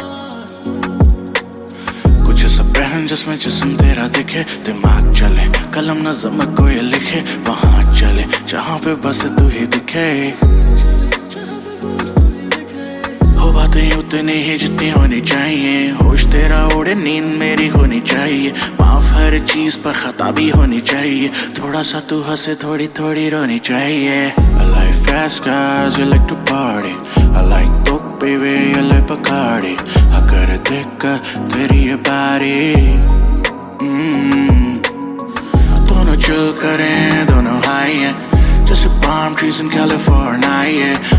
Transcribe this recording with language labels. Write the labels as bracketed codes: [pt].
[hi] कुछ ऐसा पहन जिसमें जिस्म तेरा दिखे, दिमाग चले, कलम नज़म को ये लिखे, वहां चले जहां पे बस तू ही दिखे. उतनी ही जितनी होनी चाहिए, होश तेरा उड़े, नींद मेरी होनी चाहिए, माफ हर चीज पर खता भी होनी चाहिए, थोड़ा सा तू हंसे, थोड़ी थोड़ी रोनी चाहिए. [en] I like fast cars, you like to party. I like coke, baby, you like Bacardi. [hi] अगर देखा तेरी ये बारी. दोनों चिल करें, दोनों हाई हैं. [en] Just a palm trees in California, yeah.